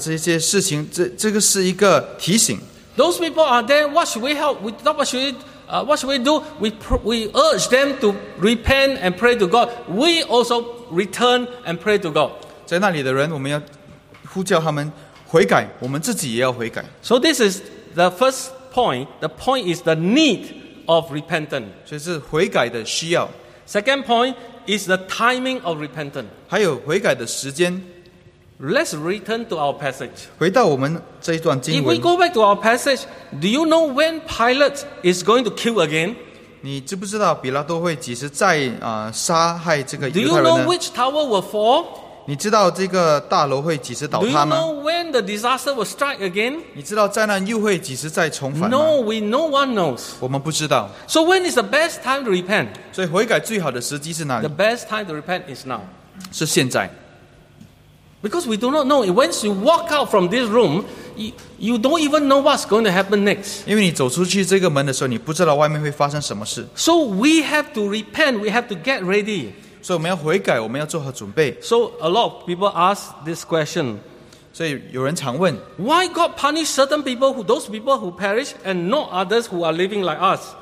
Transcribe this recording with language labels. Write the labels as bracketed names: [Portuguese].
[Chinese] 所以我们在菲律宾、澳洲、这个伊朗所看的这些事情，这个是一个提醒。 [English] Those people are there. What should we help? What should we do? We urge them to repent and pray to God. We also return and pray to God. [Chinese] 在那里的人，我们要呼叫他们悔改，我们自己也要悔改。 [English] So this is the first point. The point is the need of repentance. [Chinese] 所以是悔改的需要。 [English] Second point is the timing of repentance. [Chinese] 还有悔改的时间。 [English] Let's return to our passage. [Chinese] 回到我们这一段经文。 [English] If we go back to our passage, do you know when Pilate is going to kill again? [Chinese] 你知不知道比拉多会几时再杀害这个犹太人呢? [English] Do you know which tower will fall? [Chinese] 你知道这个大楼会几时倒塌吗? [English] Do you know when the disaster will strike again? [Chinese] 你知道灾难又会几时再重返吗? [English] No, no one knows. [Chinese] 我们不知道。 [English] So when is the best time to repent? [Chinese] 所以悔改最好的时机是哪里? [English] The best time to repent is now. [Chinese] 是现在。 [English] Because we do not know. Once you walk out from this room, you don't even know what's going to happen next. [Chinese] 因为你走出去这个门的时候，你不知道外面会发生什么事。 [English] So we have to repent. We have to get ready. [Chinese] 所以我们要悔改，我们要做好准备。 [English] So a lot of people ask this question. [Chinese] 所以有人常问, [English] Why God punish certain people, those people who perish, and not others who are living like us?